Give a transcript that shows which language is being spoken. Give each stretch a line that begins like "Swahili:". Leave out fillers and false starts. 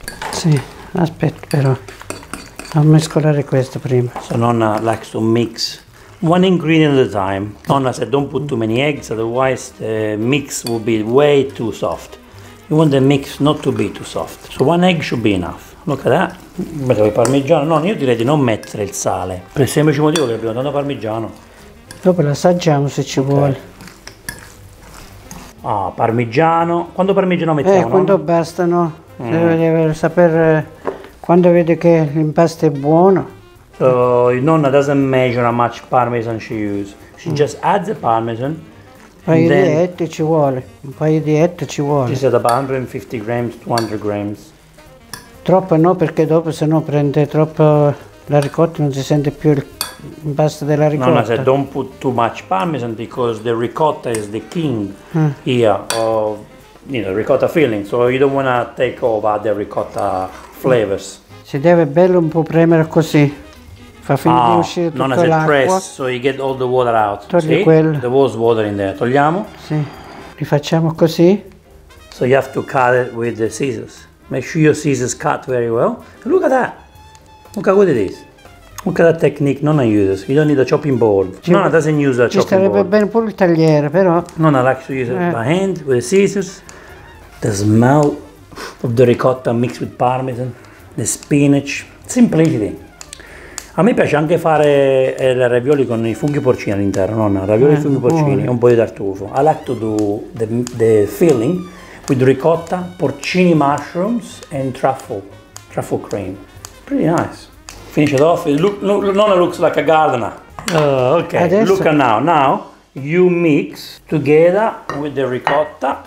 Italian: Sì, aspetta però. A mescolare questo prima.
English: So nonna likes to mix one ingredient at a time. Nonna said don't put too many eggs, otherwise the mix will be way too soft. You want the mix not to be too soft. So one egg should be enough. Look at that.
Italian: Mettiamo il parmigiano. No, io direi di non mettere il sale. Per il semplice motivo che abbiamo tanto parmigiano. Dopo l'assaggiamo se ci vuole. Ah, oh, parmigiano. Quanto parmigiano mettiamo? Quanto bastano. Deve sapere quando vede che l'impasto è buono.
English: So, nonna doesn't measure how much parmesan she uses. She just adds the parmesan.
Italian: Un paio di ette ci vuole.
English: She said about 150 grams, 200 grams.
Italian: Troppo no, perché dopo se no prende troppo la ricotta, non si sente più l'impasto della ricotta.
English: Nonna said don't put too much parmesan because the ricotta is the king here of, you know, ricotta filling. So you don't want to take over the ricotta flavors.
Italian: Si deve bello un po' premere così. Fa finta di uscire tutto l'acqua.
English: Nonna said press, so you get all the water out.
Italian: Togli
English: see?
Italian: Quello.
English: There was water in there.
Italian: Togliamo. Sì. Li facciamo così.
English: So you have to cut it with the scissors. Make sure your scissors cut very well. Look at that. Look at what it is. Look at that technique nonna uses. You don't need a chopping board. Nonna doesn't use a chopping board.
Italian: Ci starebbe bene pure il tagliere, però.
English: Nonna likes to use it by hand with the scissors. The smell of the ricotta mixed with parmesan, the spinach. Simplicity.
Italian: A me piace anche fare le ravioli con i funghi porcini all'interno, nonna. Ravioli e funghi porcini e un po' di tartufo.
English: I like to do the filling with ricotta, porcini mushrooms and truffle cream. Pretty nice. Finish it off. Nonna looks like a gardener. Okay,
Italian: adesso.
English: Look at now. Now you mix together with the ricotta.